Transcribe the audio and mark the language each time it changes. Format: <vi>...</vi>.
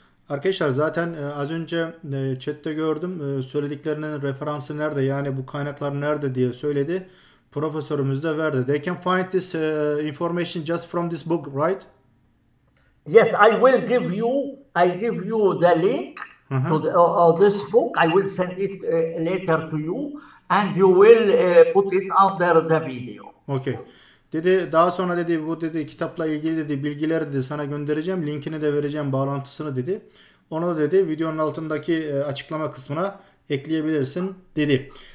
<tr>Arkadaşlar zaten az önce chatte gördüm söylediklerinin referansı nerede, yani bu kaynaklar nerede diye söyledi. Profesörümüz de verdi.</tr> <en>They can find this information just from this book, right? Yes, I will give you. I give you the link to the, this book. I will send it later to you, and you will put it under the video. Okay.</en> <tr>Dedi daha sonra dedi bu dedi kitapla ilgili dedi bilgileri dedi sana göndereceğim, linkini de vereceğim, bağlantısını dedi. Onu da dedi videonun altındaki açıklama kısmına ekleyebilirsin dedi.</tr>